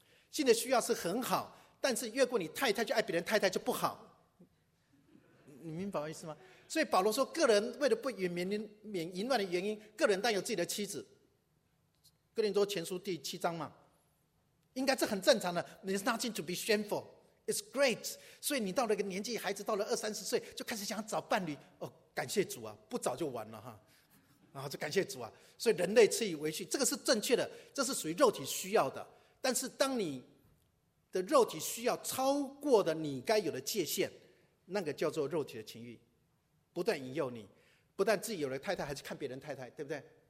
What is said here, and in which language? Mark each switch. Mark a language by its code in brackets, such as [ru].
[zh] 性的需要是很好，但是越过你太太去爱别人太太就不好，你明白我意思吗？所以保罗说，个人为了不免淫乱的原因，个人当有自己的妻子，哥林多前书第七章嘛，应该是很正常的。 [en] It's nothing to be shameful, it's great. [zh] 所以你到了一个年纪，孩子到了二三十岁就开始想找伴侣，哦，感谢主啊，不找就完了哈，然后就感谢主啊。所以人类自以为趣，这个是正确的，这是属于肉体需要的。但是当你的肉体需要超过的你该有的界限，那个叫做肉体的情欲，不断引诱你，不但自己有了太太还是看别人太太，对不对？